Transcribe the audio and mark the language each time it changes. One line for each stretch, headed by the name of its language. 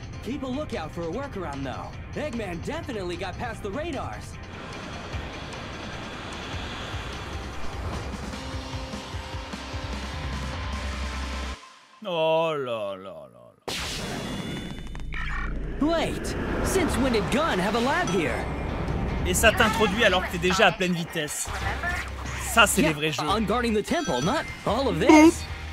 English: Keep a lookout for a workaround, though. Eggman definitely got past the radars.
French: Oh la la la la.
English: Wait. Since when did Gun have a lab here?
French: Et ça t'introduit alors que t'es déjà à pleine vitesse. Ça, c'est les vrais jeux.
English: On guarding the temple, not all of this.